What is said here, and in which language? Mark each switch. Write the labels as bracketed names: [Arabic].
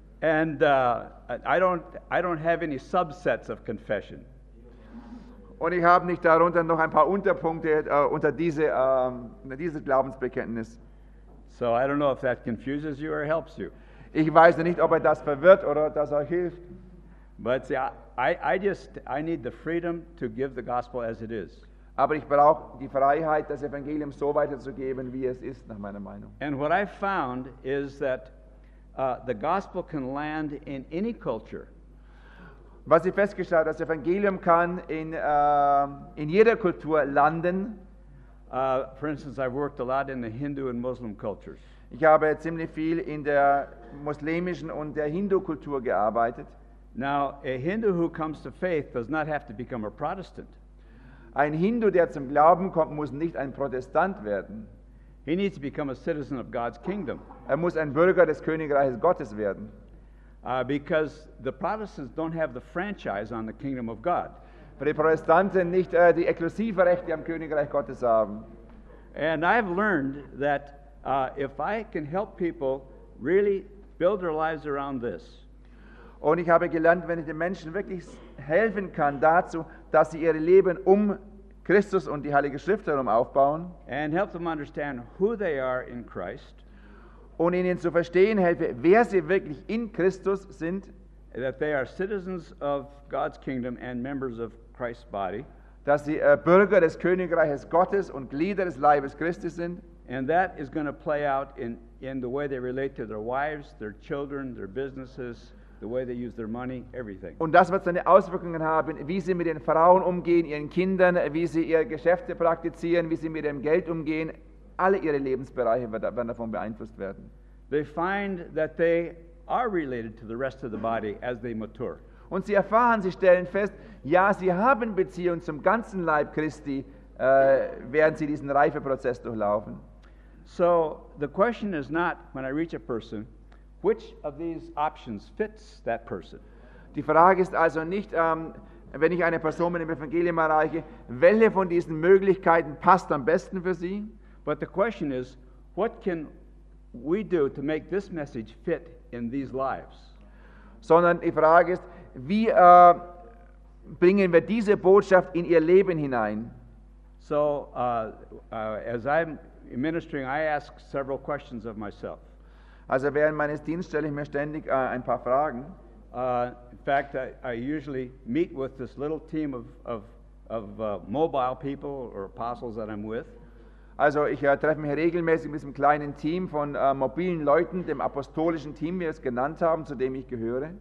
[English] And I don't have any subsets of confession. [German] Und ich habe nicht darunter noch ein paar Unterpunkte unter dieses Glaubensbekenntnis. [English] So I don't know if that confuses you or helps you. [German] Ich weiß nicht, ob er das verwirrt oder das auch hilft. [English] But see, I need the freedom to give the gospel as it is. [German] Aber ich brauche die Freiheit, das Evangelium so weiterzugeben, wie es ist, nach meiner Meinung. [English] And what I found is that the gospel can land in any culture. [German] Was ich festgestellt habe, das Evangelium kann in jeder Kultur landen. [English] For instance, I've worked a lot in the Hindu and Muslim cultures. [German] Ich habe ziemlich viel in der muslimischen und der Hindu-Kultur gearbeitet. [English] Now, a Hindu who comes to faith does not have to become a Protestant. [German] Ein Hindu, der zum Glauben kommt, muss nicht ein Protestant werden. [English] He needs to become a citizen of God's kingdom. [German] Er muss ein Bürger des Königreiches Gottes werden. [English] Because the Protestants don't have the franchise on the kingdom of God. [German] Weil die Protestanten nicht die exklusive Rechte am Königreich Gottes haben. [English] And I've learned that if I can help people really build their lives around this. [German] Und ich habe gelernt, wenn ich den Menschen wirklich helfen kann dazu, dass sie ihr Leben um Christus und die Heilige Schrift herum aufbauen. [English] And help them understand who they are in Christ. [German] Und ihnen zu verstehen helfe, wer sie wirklich in Christus sind. [English] That they are citizens of God's kingdom and members of Christ's body. [German] Dass sie Bürger des Königreiches Gottes und Glieder des Leibes Christi sind. [English] And that is going to play out in the way they relate to their wives, their children, their businesses, the way they use their money, everything. [German] Und das wird seine Auswirkungen haben, wie sie mit den Frauen umgehen, ihren Kindern, wie sie ihre Geschäfte praktizieren, wie sie mit dem Geld umgehen. Alle ihre Lebensbereiche werden davon beeinflusst werden. [English] They find that they are related to the rest of the body as they mature. [German] Und sie erfahren, sie stellen fest, ja, sie haben Beziehung zum ganzen Leib Christi, während sie diesen Reifeprozess durchlaufen. [English] So the question is not, when I reach a person, which of these options fits that person? [German] Die Frage ist also nicht, wenn ich eine Person mit dem Evangelium erreiche, welche von diesen Möglichkeiten passt am besten für sie? [English] But the question is, what can we do to make this message fit in these lives? [German] Sondern die Frage ist, wie bringen wir diese Botschaft in ihr Leben hinein? [English] So, as I'm ministering, I ask several questions of myself. [German] Also während meines Dienstes stelle ich mir ständig ein paar Fragen. [English] In fact, I usually meet with this little team of mobile people or apostles that I'm with. [German] Also ich treffe mich regelmäßig mit diesem kleinen Team von mobilen Leuten, dem apostolischen Team, wie wir es genannt haben, zu dem ich gehöre.